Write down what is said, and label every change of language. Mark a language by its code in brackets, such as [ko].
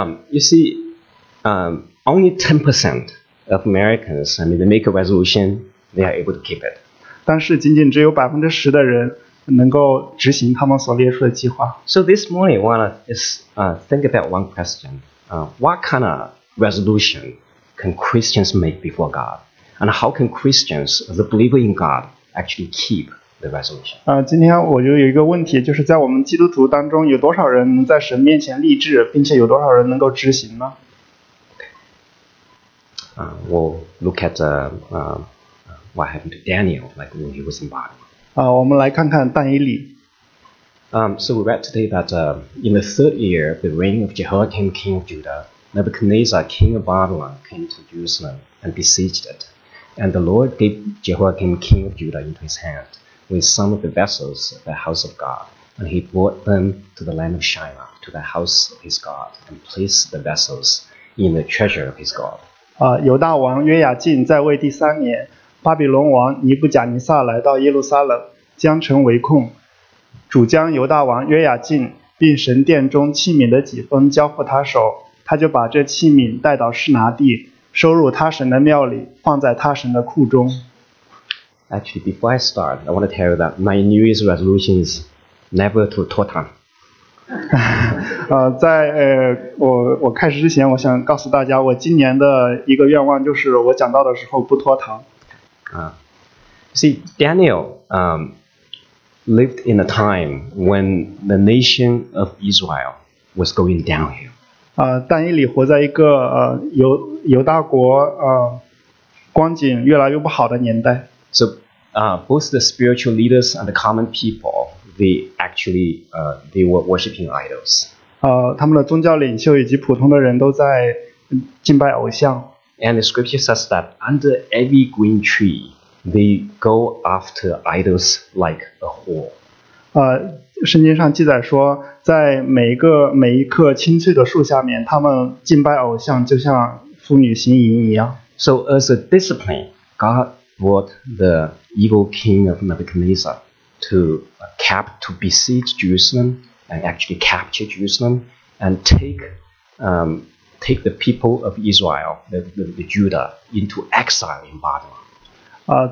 [en] You see, only 10% of Americans, I mean, they make a resolution, they are able to keep it. [zh] 但是仅仅只有10%的人能够执行他们所列出的计划。 [en] So this morning, I want to think about one question. What kind of resolution can Christians make before God? And how can Christians, the believer in God, actually keep the resolution? [zh] 今天我就有一个问题，就是在我们基督徒当中，有多少人能在神面前立志，并且有多少人能够执行呢？ [en] We'll look at what happened to Daniel, like when he was in Babylon. [zh] 我们来看看但以理。 [en] So we read today that in the third year of the reign of Jehoiakim, king of Judah, Nebuchadnezzar, king of Babylon, came to Jerusalem and besieged it. And the Lord gave Jehoiakim, king of Judah, into his hand with some of the vessels of the house of God. And he brought them to the land of Shinar, to the house of his God, and placed the vessels in the treasure of his God. [zh] 犹大王约雅敬在位第三年。巴比伦王尼布甲尼撒来到耶路撒冷，将城围控。主将犹大王约雅敬并神殿中器皿的几封交付他手，他就把这器皿带到示拿地，收入他神的庙里，放在他神的库中。 [en] Actually, before I start, I want to tell you that my New Year's resolution is never to talk time. [zh] 在我开始之前，我想告诉大家，我今年的一个愿望就是我讲到的时候不拖堂。 [en] See, Daniel lived in a time when the nation of Israel was going downhill. [zh] 但以理活在一个犹大国光景越来越不好的年代。 [en] So, both the spiritual leaders and the common people, they actually they were worshiping idols. [zh] 他们的宗教领袖以及普通的人都在敬拜偶像。 [en] And the scripture says that under every green tree, they go after idols like a whore. [zh] 圣经上记载说，在每一棵青翠的树下面，他们敬拜偶像，就像妇女行淫一样。 [en] So as a discipline, God brought the evil king of Nebuchadnezzar to besiege Jerusalem and actually capture Jerusalem and take the people of Israel, the Judah, into exile in Babylon.